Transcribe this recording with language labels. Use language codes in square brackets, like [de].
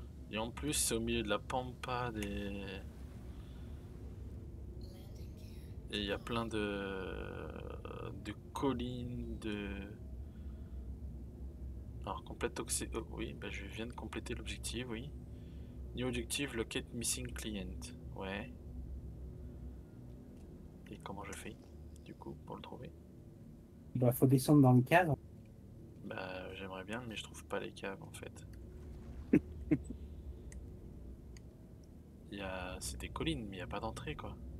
[fr] Et en plus, c'est au milieu de la pampa des. Et il y a plein de collines, de. Alors, complète oxy. Oh, oui, bah, je viens de compléter l'objectif, oui. [en] New objective, locate missing client. [fr] Ouais. Et comment je fais, du coup, pour le trouver? Bah, faut descendre dans le cadre. Bah, j'aimerais bien, mais je trouve pas les caves, en fait. C'est des collines, mais il n'y a pas d'entrée, quoi.